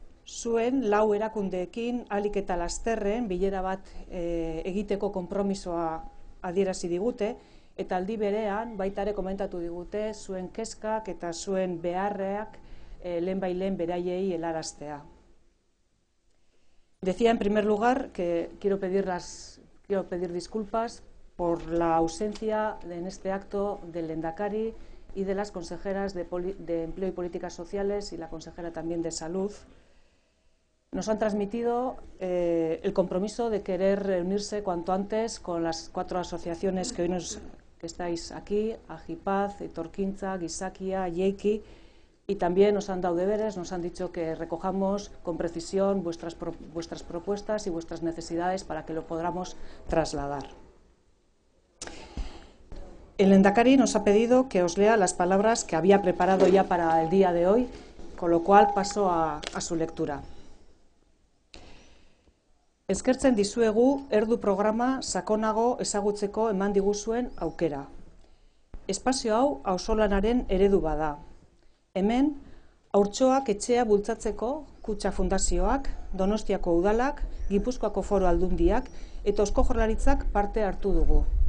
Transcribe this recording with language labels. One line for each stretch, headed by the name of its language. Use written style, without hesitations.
Basque: Zuen lau erakundeekin alik eta lasterren bilera bat egiteko konpromisoa adierazi digute, eta aldi berean baitare komentatu digute zuen kezkak eta zuen beharreak lehenbailehen beraiei helaraztea.
Spanish: Decía en primer lugar que quiero pedir disculpas por la ausencia en este acto del lehendakari y de las consejeras de empleo y políticas sociales y la consejera también de salud. Nos han transmitido el compromiso de querer reunirse cuanto antes con las cuatro asociaciones que estáis aquí, Agipaz, Etorkintza, Gizakia, Jeiki, y también nos han dado deberes, nos han dicho que recojamos con precisión vuestras propuestas y vuestras necesidades para que lo podamos trasladar. El Lehendakari nos ha pedido que os lea las palabras que había preparado ya para el día de hoy, con lo cual paso a su lectura.
Basque: Eskertzen dizuegu erdu programa sakonago ezagutzeko eman diguzuen aukera. Espazio hau auzolanaren eredu bada. Hemen, haurtxoak etxea bultzatzeko kutxa fundazioak, Donostiako udalak, Gipuzkoako foro aldundiak eta Eusko Jaurlaritzak parte hartu dugu.